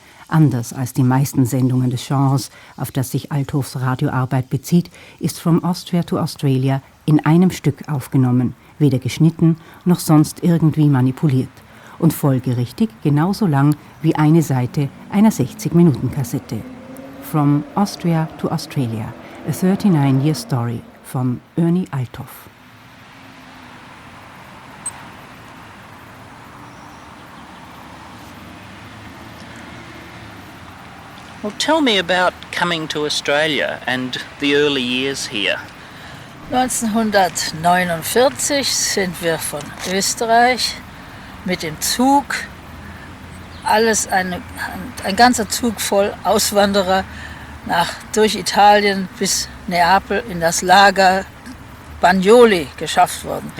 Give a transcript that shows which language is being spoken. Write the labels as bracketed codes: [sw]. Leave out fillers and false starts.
[de] Anders als die meisten Sendungen des Genres, auf das sich Althoffs Radioarbeit bezieht, ist From Austria to Australia in einem Stück aufgenommen, weder geschnitten noch sonst irgendwie manipuliert und folgerichtig genauso lang wie eine Seite einer 60-Minuten-Kassette. [en] From Austria to Australia, a 39-year story von Ernie Althoff. Well, tell me about coming to Australia and the early years here. [de] 1949 sind wir von Österreich mit dem Zug, alles ein ganzer Zug voll Auswanderer, durch Italien bis Neapel in das Lager Bagnoli geschafft worden.